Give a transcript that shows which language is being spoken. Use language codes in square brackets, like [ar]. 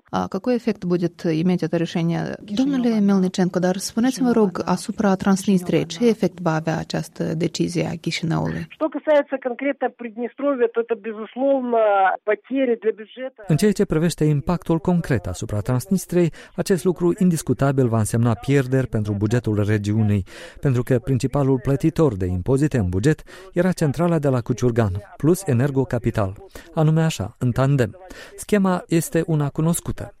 [ru] Какой эффект будет иметь это решение? [ro] Domnule Melnicenko, dar spuneți-mă, rog, asupra Transnistriei, ce efect va avea această decizie a Chișinăului? [ru] Что касается конкретно Приднестровья, то это безусловно потери для бюджета. [ro] În ceea ce privește impactul concret asupra Transnistriei, acest lucru indiscutabil va însemna pierderi pentru bugetul regiunii, pentru că principalul plătitor de impozite în buget era centrala de la Cuciurgan, plus Energo Capital. Anume așa, în tandem. Schema este una cunoscută.